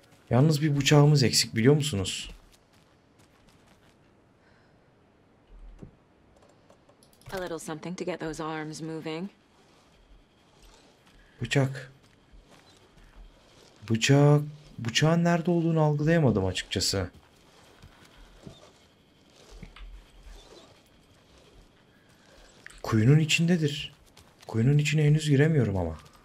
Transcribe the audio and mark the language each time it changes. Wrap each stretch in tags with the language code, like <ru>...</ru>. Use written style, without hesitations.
<tr>Yalnız bir bıçağımız eksik, biliyor musunuz?</tr> <en>A little something to get those arms moving.</en> <tr>Bıçak. Bıçak. Bıçağın nerede olduğunu algılayamadım açıkçası. Kuyunun içindedir. Kuyunun içine henüz giremiyorum ama.</tr>